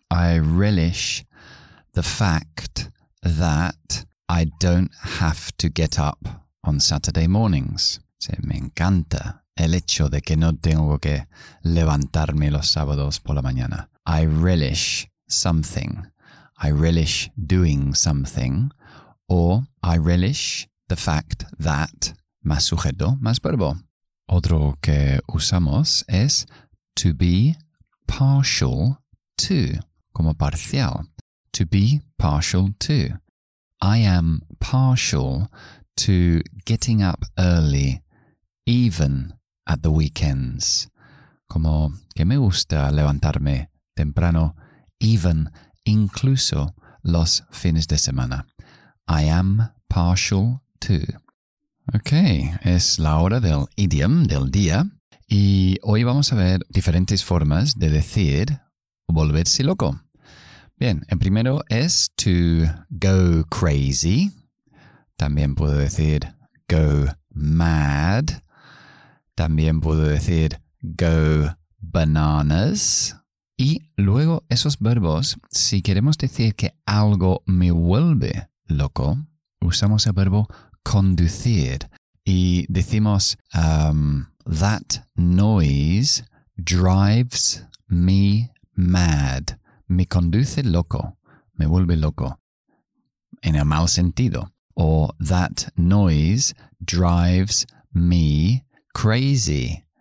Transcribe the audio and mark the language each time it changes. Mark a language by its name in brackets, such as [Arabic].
[English] I relish the fact that I don't have to get up on Saturday mornings. [Spanish] O sea, me encanta el hecho de que no tengo que levantarme los sábados por la mañana. [English] I relish something. I relish doing something. Or, I relish the fact that, [Spanish] más sujeto, más verbo. Otro que usamos es to be partial to, como parcial. [English] To be partial to. I am partial to getting up early, even at the weekends. [Spanish] Como que me gusta levantarme temprano, even, incluso los fines de semana. [English] I am partial to. [Spanish] Okay, es la hora del idiom del día y hoy vamos a ver diferentes formas de decir volverse loco. Bien, el primero es to go crazy. También puedo decir go mad. También puedo decir go bananas. Y luego esos verbos, si queremos decir que algo me vuelve loco, usamos el verbo conducir y decimos [English] that noise drives me mad. [Spanish] Me conduce loco, me vuelve loco, en el mal sentido. [English] O that noise drives me crazy.